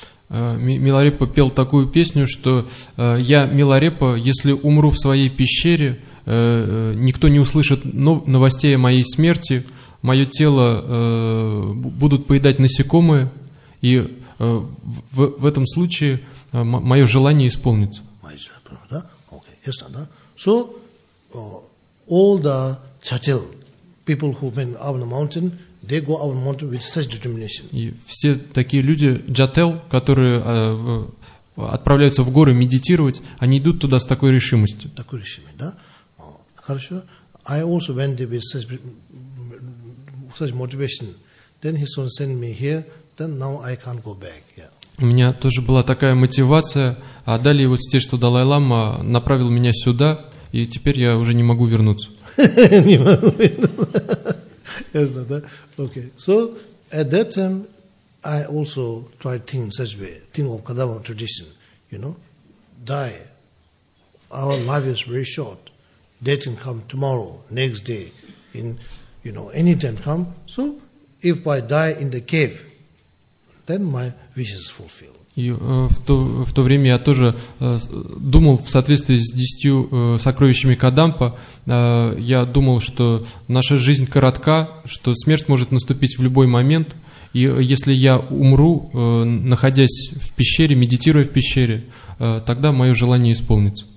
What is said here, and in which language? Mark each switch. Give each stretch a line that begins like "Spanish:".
Russian: Миларепа пел такую песню, что я Миларепа, если умру в своей пещере, никто не услышит новостей о моей смерти, мое тело будут поедать насекомые, и в этом случае мое желание исполнится. Мое желание, да? Окей, ясно, да?
English: So, all the Chattel, people who went up the mountain, they go up the mountain with such determination.
Russian: И все такие люди, джател, которые отправляются в горы медитировать, они идут туда с такой решимостью. Такой решимостью, да? Хорошо.
English: I also went there with such motivation. Then he soon sent me here, then now I can't go back. Yeah.
Russian: У меня тоже была такая мотивация, а далее вот те, что Далай-Лама направил меня сюда, и теперь я уже не могу вернуться. Не могу. Ясно, да? Окей.
English: So, at that time, I also tried to think in such way, think of Kadampa tradition, you know, die. Our life is very short. Death can come tomorrow, next day, in, you know, any time come. So, if I die in the cave, then my wish is fulfilled.
Russian: И в то время я тоже думал в соответствии с 10 сокровищами Кадампа, я думал, что наша жизнь коротка, что смерть может наступить в любой момент, и если я умру, находясь в пещере, медитируя в пещере, тогда мое желание исполнится.